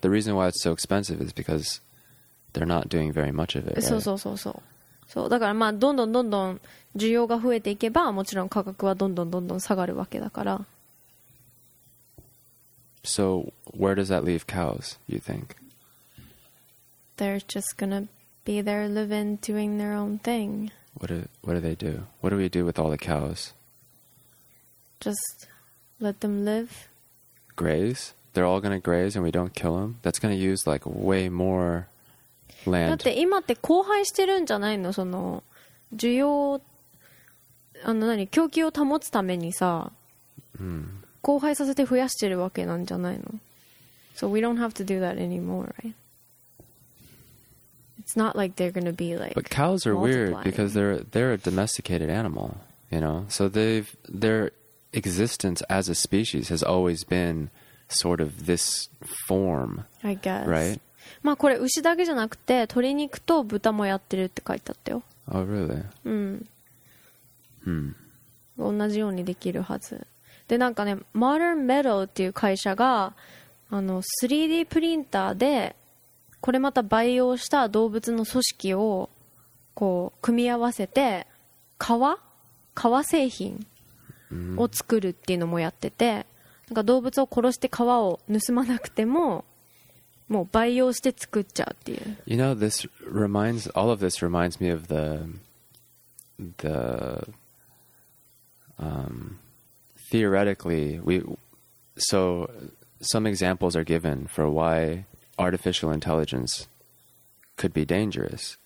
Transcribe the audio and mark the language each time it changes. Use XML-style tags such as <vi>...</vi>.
<en>The reason why it's so expensive is because they're not doing very much of it, right?</en> <ja>そう。そうだからまあどんどんどんどん需要が増えていけばもちろん価格はどんどんどんどん下がるわけだから。</ja> <en>So where does that leave cows, you think? They're just gonna be there living, doing their own thing. What do they do? What do we do with all the cows? Just let them live. Graze? They're all gonna graze and we don't kill them? That's gonna use like way more... Land.</en> <ja>だって今って荒廃してるんじゃないの、その需要、あの何、供給を保つためにさ、荒廃させて増やしてるわけなんじゃないの。</ja> <en>So we don't have to do that anymore, right? It's not like they're gonna be like... But cows are weird because they're a domesticated animal, you know? So their existence as a species has always been sort of this form, I guess. Right?</en> <ja>まあこれ牛だけじゃなくて鶏肉と豚もやってるって書いてあったよ。</ja> <en>Oh, really?</en> <ja>うん。うん。同じようにできるはず。でなんかね、Modern Metal っていう会社が、あの 3D プリンターでこれまた培養した動物の組織をこう組み合わせて革製品を作るっていうのもやってて、なんか動物を殺して革を盗まなくても。もう培養して作っちゃうっていう。</ja> <en>You know, this reminds, all of this reminds me of the theoretically, some examples are given for why artificial intelligence could be dangerous.</en>